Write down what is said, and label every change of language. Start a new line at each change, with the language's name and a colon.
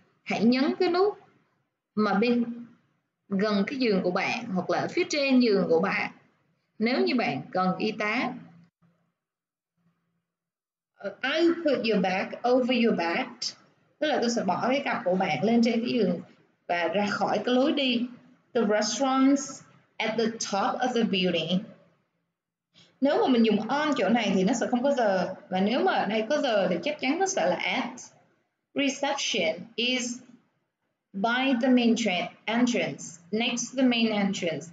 Vietnamese: Hãy nhấn cái nút mà bên gần cái giường của bạn hoặc là phía trên giường của bạn nếu như bạn cần y tá.
English: I put your bag over your bed,
Vietnamese: tức là tôi sẽ bỏ cái cặp của bạn lên trên cái giường và ra khỏi cái lối đi.
English: The restaurant's at the top of the building.
Vietnamese: Nếu mà mình dùng on chỗ này thì nó sẽ không có the. Và nếu mà ở đây có the thì chắc chắn nó sẽ là at.
English: Reception is by the main entrance, next to the main entrance.